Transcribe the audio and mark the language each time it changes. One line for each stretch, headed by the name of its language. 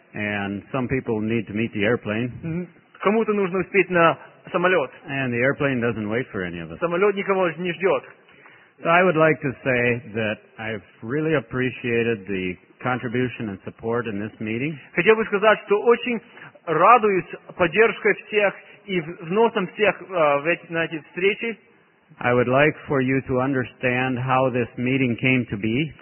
English: And some people need to meet the airplane.
Russian: Кому-то нужно успеть на самолет.
English: And the airplane doesn't wait for any of us.
Russian: Самолет никого не ждет.
English: So I would like to say that I've really appreciated the contribution and support in this meeting.
Russian: Хотел бы сказать, что очень радуюсь поддержкой всех и вносом всех на эти встречи.
English: I would like for you to understand how this meeting came to be.